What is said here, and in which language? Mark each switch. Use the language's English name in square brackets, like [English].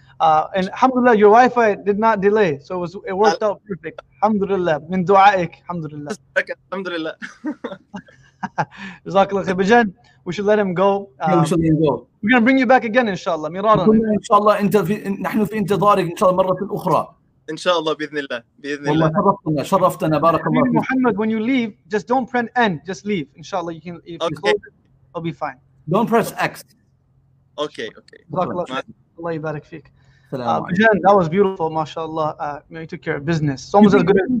[English] And alhamdulillah, your Wi-Fi did not delay. So it worked out perfect. Alhamdulillah. Min du'aik. Alhamdulillah. Alhamdulillah. Bijan, we should let him go. We're going to bring you back again, inshallah. Miraran. [Arabic] Inshallah, نحن في انتظارك, inshallah, مرة أخرى. Inshallah, بإذن الله. بإذن الله. شرفتنا, شرفتنا, بارك الله فيك. [English] Muhammad, when you leave, just don't print N. Just leave. Inshallah, you can leave. Okay. I'll be fine. Don't press X. Okay. [Arabic] Allah yabarak feek. [English] Jan, that was beautiful, mashallah. You took care of business. It's almost as good as